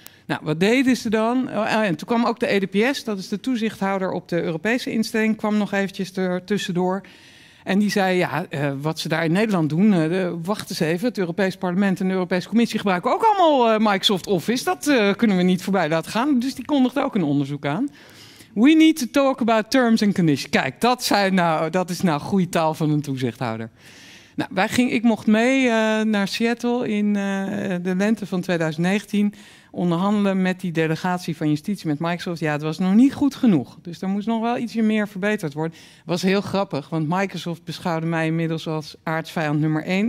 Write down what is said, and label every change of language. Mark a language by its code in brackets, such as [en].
[nl] Nou, wat deden ze dan? En toen kwam ook de EDPS, dat is de toezichthouder op de Europese instelling, kwam nog eventjes er tussendoor. En die zei, ja, wat ze daar in Nederland doen, wacht eens even. Het Europees Parlement en de Europese Commissie gebruiken ook allemaal Microsoft Office. Dat kunnen we niet voorbij laten gaan. Dus die kondigde ook een onderzoek aan. [en] We need to talk about terms and conditions. [nl] Kijk, dat, dat is nou goede taal van een toezichthouder. Nou, ik mocht mee naar Seattle in de lente van 2019... onderhandelen met die delegatie van justitie met Microsoft. Ja, het was nog niet goed genoeg. Dus er moest nog wel ietsje meer verbeterd worden. Het was heel grappig, want Microsoft beschouwde mij inmiddels als aartsvijand nummer 1.